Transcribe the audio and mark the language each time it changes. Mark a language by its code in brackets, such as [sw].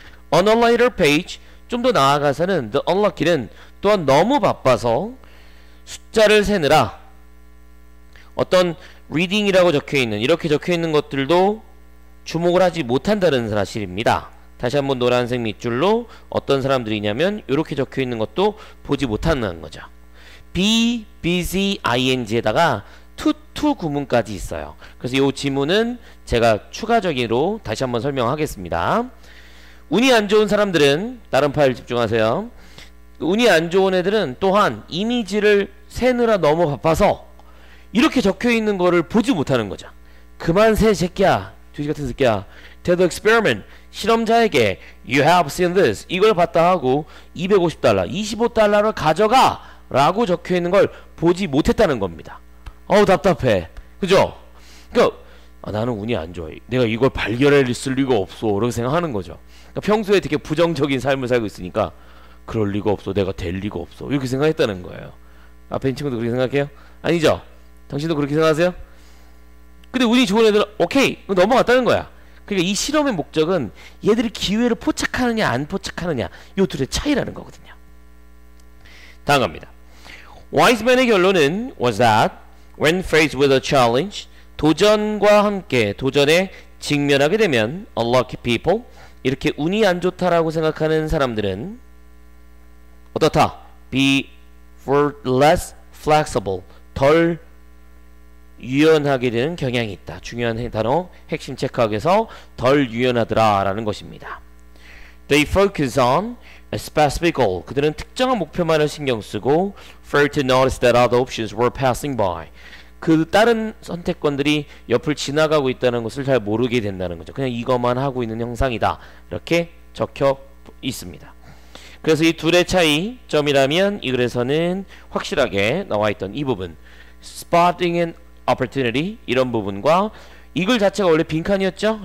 [en] On a later page, [ko] 좀 더 나아가서는 [en] the unlucky [ko] 는 또한 너무 바빠서 숫자를 세느라 어떤 reading이라고 적혀있는 이렇게 적혀있는 것들도 주목을 하지 못한다는 사실입니다. 다시 한번 노란색 밑줄로 어떤 사람들이냐면 이렇게 적혀 있는 것도 보지 못한다는 거죠. be, busy, ing에다가 to 구문까지 있어요. 그래서 이 지문은 제가 추가적으로 다시 한번 설명하겠습니다. 운이 안 좋은 사람들은 다른 파일 집중하세요. 운이 안 좋은 애들은 또한 이미지를 세느라 너무 바빠서 이렇게 적혀 있는 거를 보지 못하는 거죠. 그만 새 새끼야, 돼지 같은 새끼야. [en] Tell the experiment. [ko] 실험자에게 [en] You have seen this. [ko] 이걸 봤다 하고 $250, $25를 가져가 라고 적혀 있는 걸 보지 못했다는 겁니다. 어우 답답해. 그죠? 그러니까 나는 운이 안 좋아. 내가 이걸 발견했을 리가 없어. 이렇게 생각하는 거죠. 그러니까 평소에 되게 부정적인 삶을 살고 있으니까 그럴 리가 없어. 내가 될 리가 없어. 이렇게 생각했다는 거예요. 앞에 있는 친구도 그렇게 생각해요? 아니죠? 당신도 그렇게 생각하세요? 근데 운이 좋은 애들은 오케이 넘어갔다는 거야. 그러니까 이 실험의 목적은 얘들이 기회를 포착하느냐 안 포착하느냐 요 둘의 차이라는 거거든요. 다음 갑니다. Wiseman의 결론은 [en] was that when faced with a challenge, [ko] 도전과 함께 도전에 직면하게 되면 [en] unlucky people, [ko] 이렇게 운이 안 좋다라고 생각하는 사람들은 어떻다? [en] be for less flexible, [ko] 덜 유연하게 되는 경향이 있다. 중요한 단어 핵심 체크하기 위해서 덜 유연하더라 라는 것입니다. [en] They focus on a specific goal. [ko] 그들은 특정한 목표만을 신경 쓰고 [en] failed to notice that other options were passing by. [ko] 그 다른 선택권들이 옆을 지나가고 있다는 것을 잘 모르게 된다는 거죠. 그냥 이것만 하고 있는 형상이다 이렇게 적혀 있습니다. 그래서 이 둘의 차이점이라면 이 글에서는 확실하게 나와있던 이 부분 [en] spotting an opportunity [ko] 이런 부분과 이 글 자체가 원래 빈칸이었죠.